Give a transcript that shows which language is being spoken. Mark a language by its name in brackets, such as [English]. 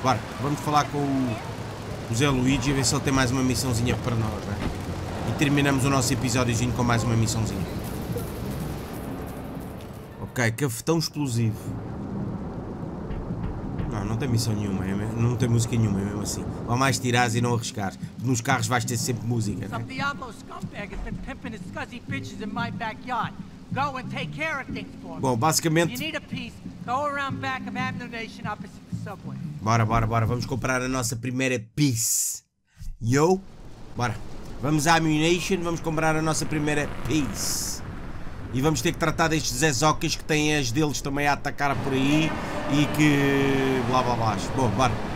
[Portuguese] Bora, vamos falar com o Zé Luigi, a ver se ele tem mais uma missãozinha para nós, né? E terminamos o nosso episódiozinho com mais uma missãozinha. Ok, cafetão explosivo. Não tem missão nenhuma, não tem música nenhuma, é mesmo assim. Ou mais tirares e não arriscares. Nos carros vais ter sempre música, né? [English] Some Diablo scumbag has been pimping his scuzzy bitches in my backyard. Go and take care of things for me. [Portuguese] Bom, basicamente... [English] You need a piece, go around back of Abner Nation opposite the subway. [Portuguese] Bora, vamos comprar a nossa primeira piece. Yo, bora. Vamos à Ammunition, vamos comprar a nossa primeira piece. E vamos ter que tratar destes exóquias que têm as deles também a atacar por aí e que... blá blá blá. Bom, bora.